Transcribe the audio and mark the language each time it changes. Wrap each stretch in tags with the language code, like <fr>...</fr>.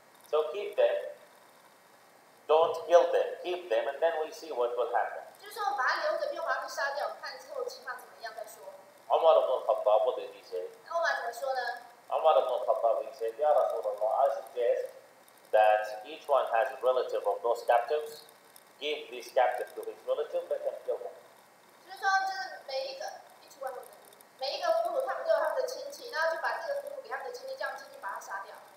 <en>So keep them, don't kill them, keep them, and then we see what will happen.</en> <zh>就是说我们把他留着，并把他们杀掉，看之后情况怎么样再说。</zh> <en>Umar ibn Khattab, what did he say?</en> <zh>Umar 怎么说呢？</zh> <en>Umar ibn Khattab, he said, Ya Rasulullah, I suggest that each one has a relative of those captives, give this captive to his relative, let him kill them.</en> <zh>就是说，就是每一个，</zh> <en>each one of them，</en> <zh>每一个俘虏，他们都有他们的亲戚，那就把这个俘虏给他们的亲戚，这样亲戚把他杀掉。</zh>